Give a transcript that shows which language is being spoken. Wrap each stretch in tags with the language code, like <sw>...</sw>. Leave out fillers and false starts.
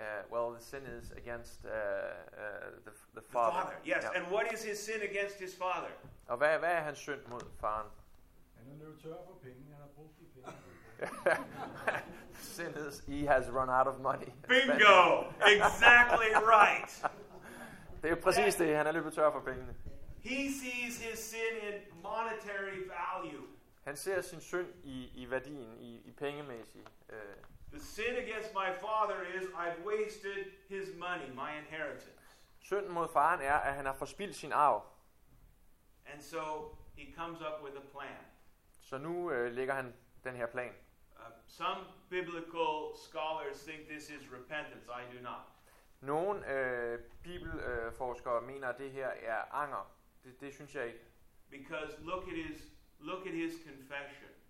<en>Well, the sin is against the father. Father. Yes. Yeah. And what is his sin against his father?</en> <da>Og hvad er hans synd mod faren? Han er løbet tør for penge. Han har brugt de penge.</da> <en>Sin is he has run out of money. Bingo! Exactly right.</en> <da>Det er præcis det. Han er løbet tør for pengene.</da> <en>He sees his sin in monetary value.</en> <da>Han ser sin synd i værdien i pengemæssig.</da> <en>The sin against my father is I've wasted his money, my inheritance.</en> <da>Synden mod faren er at han har forspildt sin arv.</da> <en>And so he comes up with a plan.</en> <da>Så nu lægger han den her plan.</da> <en>Some biblical scholars think this is repentance. I do not.</en> <da>Nogle bibelforskere mener at det her er anger. Det synes jeg ikke.</da> <en>Because look at his confession.</en>